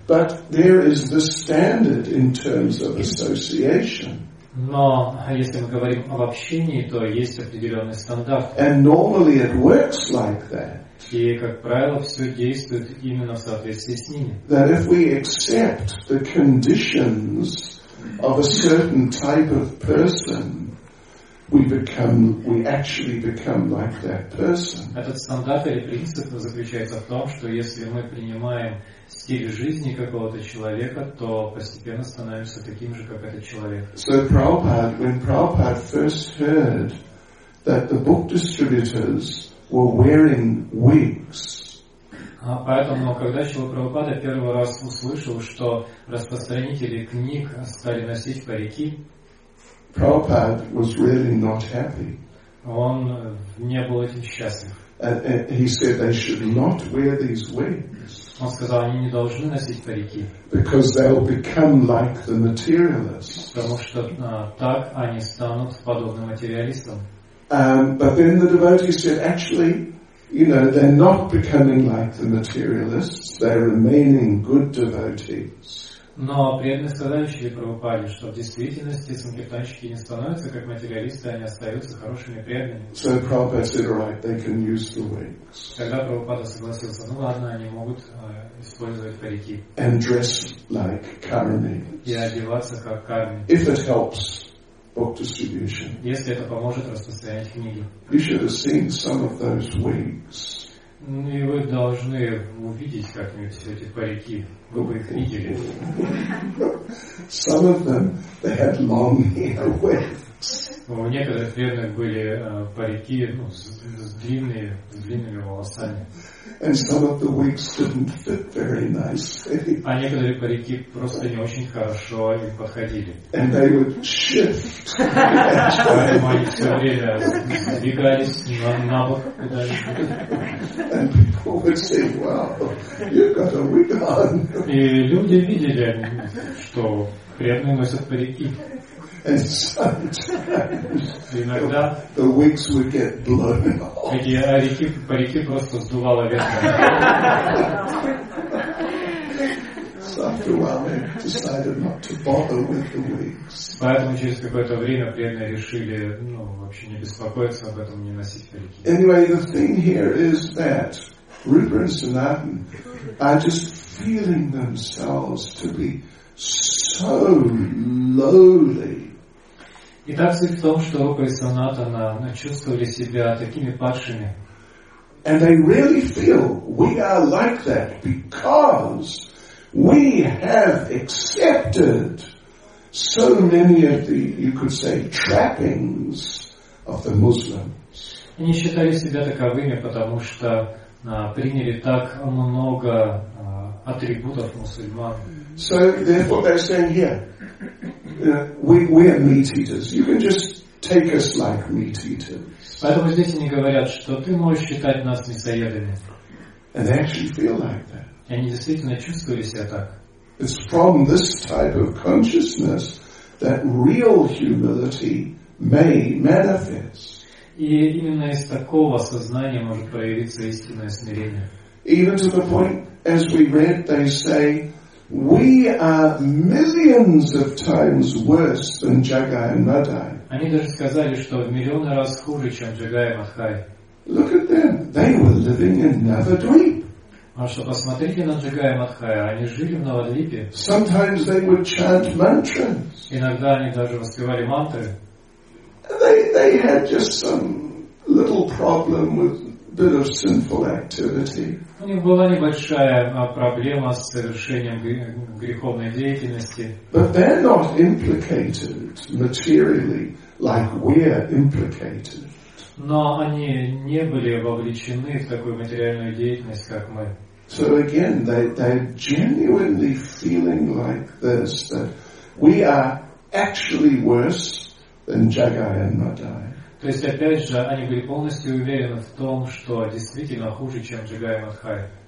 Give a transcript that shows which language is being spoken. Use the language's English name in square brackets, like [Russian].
[English] But there is the standard in terms of association. [Russian] Но если мы говорим об общении, то есть определенный стандарт. [English] And normally it works like that. [Russian] И, как правило, все действует именно в соответствии с ними. [English] That if we accept the conditions of a certain type of person, we actually become like that person. [Russian] Этот стандарт или принцип заключается в том, что если мы принимаем стиль жизни какого-то человека, то постепенно становимся таким же, как этот человек. [English] So Prabhupada, when Prabhupada first heard that the book distributors were wearing wigs. [Russian] Поэтому, когда Шрила Прабхупада первый раз услышал, что распространители книг стали носить парики, [English] Prabhupada was really not happy. [Russian] Он не был этим счастлив. [English] And he said they should not wear these wigs. [Russian] Он сказал, они не должны носить парики. [English] Because they will become like the materialists. [Russian] Потому что так они станут подобным материалистам. [English] But then the devotee said, actually, you know, they're not becoming like the materialists. They're remaining good devotees. [Russian] Но преданные страдающие Прабхупаде, что в действительности санкиртанщики не становятся как материалисты, они остаются хорошими преданными. [English] So Prabhupada said, right, they can use the wigs. [Russian] Тогда Прабхупада согласился, ну ладно, они могут использовать парики. [English] And dress like karmis. [Russian] И одеваться как карми. [English] If it helps book distribution. [Russian] Если это поможет распространять книги. [English] You should have seen some of those wigs. [Russian] Ну и вы должны увидеть как-нибудь эти парики. Вы бы их видели. [English] Some of them, they had long hair wigs. [Russian] У некоторых верных были парики, ну, с длинными волосами. [English] And some of the wigs didn't fit very nicely. [Russian] А некоторые парики просто не очень хорошо им подходили. [English] And they would shift. [Russian] Поэтому они все время сдвигались на бок. [English] And people would say, wow, you've got a wig on. [Russian] И люди видели, что преданные носят парики. [English] And sometimes [Russian] иногда [English] the wigs would get blown off. [Russian] Эти парики просто сдувало ветром. [English] So after a while, they decided not to bother with the wigs. [Russian] Поэтому через какое-то время преданные решили, ну, вообще не беспокоиться об этом, не носить парики. [English] Anyway, the thing here is that Rupa and Sanatan are just feeling themselves to be so lowly. [Russian] Итак, суть в том, что Рупа и Санатана чувствовали себя такими падшими. [English] And they really feel we are like that because we have accepted so many of the, you could say, trappings of the Muslims. [Russian] Они считали себя таковыми, потому что приняли так много атрибутов мусульман. [English] So therefore they're saying here, we are meat eaters. You can just take us like meat eaters. [Russian] Поэтому здесь они говорят, что ты можешь считать нас мясоедами. [English] And they actually feel like that. [Russian] И они действительно чувствовали себя так. [English] It's from this type of consciousness that real humility may manifest. [Russian] И именно из такого сознания может проявиться истинное смирение. [English] Even to the point, as we read, they say, we are millions of times worse than Jagai and Madai. [Russian] Они даже сказали, что в миллионы раз хуже, чем Джагай и Мадхай. [English] Look at them. They were living in Navadvip. [Russian] А что посмотрите на Джагая Мадхая, они жили в Навадвипе. [English] Sometimes they would chant mantras. [Russian] Иногда они даже воспевали мантры. [English] They had just some little problem with a bit of sinful activity. [Russian] У них была небольшая проблема с совершением греховной деятельности. [English] But they're not implicated materially like we're implicated. [Russian] Но они не были вовлечены в такую материальную деятельность, как мы. [English] So again, they're genuinely feeling like this, that we are actually worse than Jagai and Madai. [Russian] То есть, опять же, они были полностью уверены в том, что действительно хуже, чем Джагай и Мадхай.